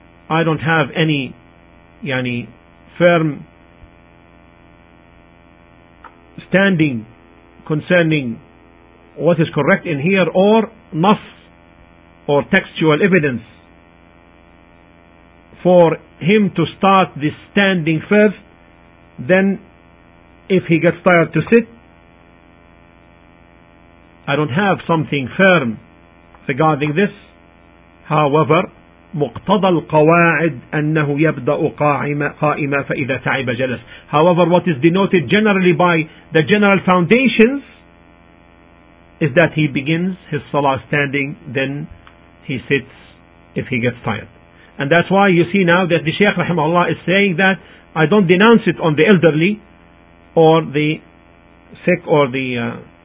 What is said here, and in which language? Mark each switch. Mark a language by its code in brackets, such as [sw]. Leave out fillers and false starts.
[en] I don't have any firm standing concerning what is correct in here, or nas, or textual evidence for him to start this standing first, then if he gets tired to sit. I don't have something firm regarding this. However, [ar] مقتضى القواعد أنه يبدأ قائما فإذا تعب جلس. [en] However, what is denoted generally by the general foundations is that he begins his salah standing, then he sits if he gets tired. And that's why you see now that the Shaykh rahimahullah is saying that I don't denounce it on the elderly or the sick or the